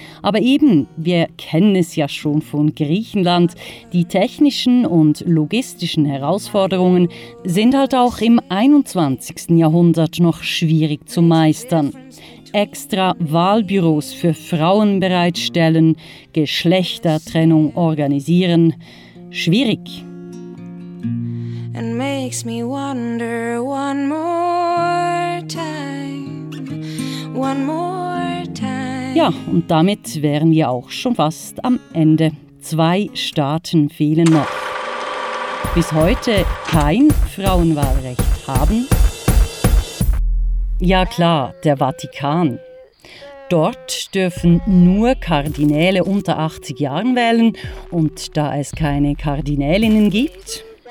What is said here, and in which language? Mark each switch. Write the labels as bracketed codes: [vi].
[de] Aber eben, wir kennen es ja schon von Griechenland, die technischen und logistischen Herausforderungen sind halt auch im 21. Jahrhundert noch schwierig zu meistern. Extra Wahlbüros für Frauen bereitstellen, Geschlechtertrennung organisieren – schwierig. [en] And makes me wonder one more time, one more time. [de] Ja, und damit wären wir auch schon fast am Ende. 2 Staaten fehlen noch. Bis heute kein Frauenwahlrecht haben? Ja klar, der Vatikan. Dort dürfen nur Kardinäle unter 80 Jahren wählen und da es keine Kardinälinnen gibt...